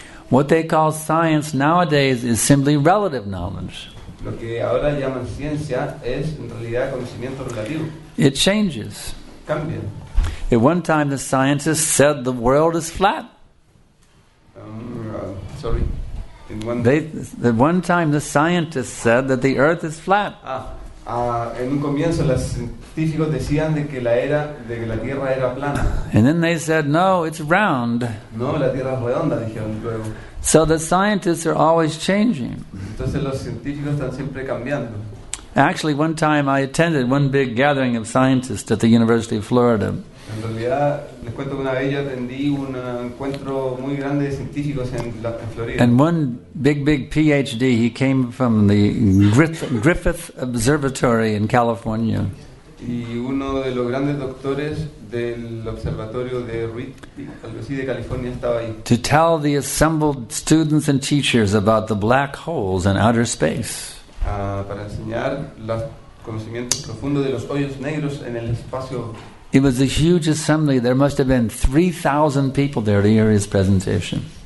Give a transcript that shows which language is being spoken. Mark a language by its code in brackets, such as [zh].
[en] What they call science nowadays is simply relative knowledge. [es] Lo que ahora llaman ciencia es en realidad conocimiento relativo. [en] It changes. [es] Cambia. [en] At one time the scientists said the world is flat. At one time the scientists said that the earth is flat. [es] En un comienzo los científicos decían de que la Tierra era plana. [en] And then they said, no, it's round. [es] No, la Tierra es redonda, dijeron luego. [en] So the scientists are always changing. [es] Entonces los científicos están siempre cambiando. [en] Actually, one time I attended one big gathering of scientists at the University of Florida. [es] En realidad, les cuento que una vez yo atendí un encuentro muy grande de científicos en Florida. [en] And one big PhD, he came from the Griffith Observatory in California. [es] Y uno de los grandes doctores del observatorio de Griffith, algo así, de California, estaba ahí. [en] To tell the assembled students and teachers about the black holes in outer space. [es] Para enseñar los conocimientos profundos de los hoyos negros en el espacio. [en] It was a huge assembly. There must have been 3,000 people there to hear his presentation.